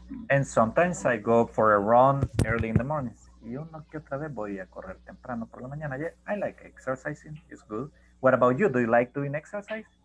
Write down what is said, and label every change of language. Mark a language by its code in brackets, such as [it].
[en] And sometimes I go for a run early in the morning. [es] Y uno que otra vez voy a correr temprano por la mañana. [en] Yeah, I like exercising. It's good. What about you? Do you like doing exercise?